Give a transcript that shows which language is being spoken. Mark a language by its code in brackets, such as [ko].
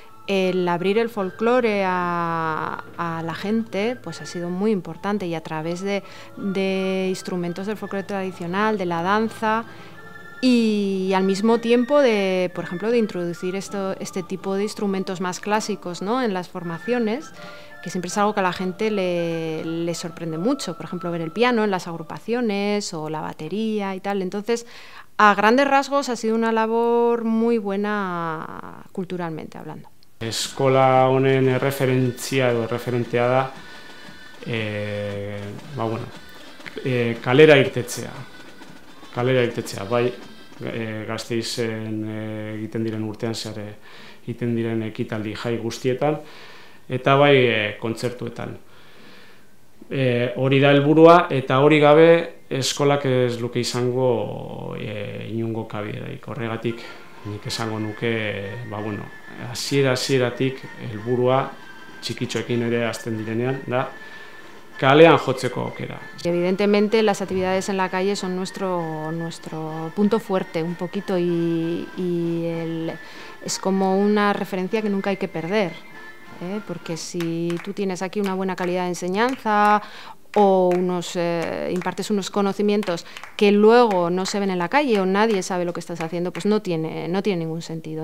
[es] El abrir el folclore a la gente pues ha sido muy importante, y a través de instrumentos del folclore tradicional, de la danza, y al mismo tiempo de, por ejemplo, de introducir este tipo de instrumentos más clásicos, ¿no?, en las formaciones, que siempre es algo que a la gente le sorprende mucho, por ejemplo, ver el piano en las agrupaciones o la batería y tal. Entonces, a grandes rasgos ha sido una labor muy buena culturalmente hablando. [eu] Eskola honen erreferentzia edo erreferentea da kalera irtetzea, bai Gasteizen egiten diren urtean zehar egiten diren ekitaldi jai guztietan, eta bai kontzertuetan. Hori da helburua, eta hori gabe eskolak ez luke izango inungo kabiderik. Horregatik nik esango nuke, hasiera-hasieratik helburua, txikitxoekin ere hasten direnean, da kalean jotzeko aukera. [es] Evidentemente las actividades en la calle son nuestro punto fuerte un poquito, y es como una referencia que nunca hay que perder, ¿eh? Porque si tú tienes aquí una buena calidad de enseñanza o unos impartes unos conocimientos que luego no se ven en la calle o nadie sabe lo que estás haciendo, pues no tiene ningún sentido.